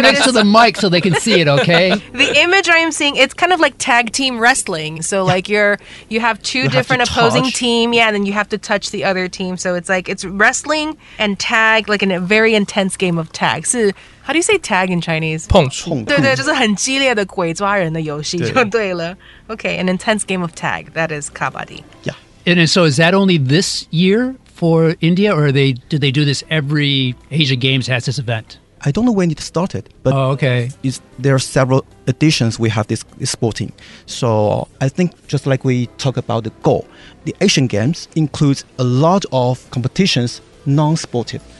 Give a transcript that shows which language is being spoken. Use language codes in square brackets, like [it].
[en] next to the mic so they can see it, okay? The image I'm seeing, it's kind of like tag team wrestling. So like you have two different opposing team, and then you have to touch the other team. So it's like it's wrestling and tag, like in a very intense game of tag. So how do you say tag in Chinese? [zh] 碰触。对对，就是很激烈的鬼抓人的游戏就对了。 [en] Okay, an intense game of tag, that is kabaddi. Yeah. And so is that only this year for India, or do they do this every Asia Games has this event? I don't know when it started, but there are several editions we have this sporting. So I think just like we talk about the goal, the Asian Games includes a lot of competitions non-sportive.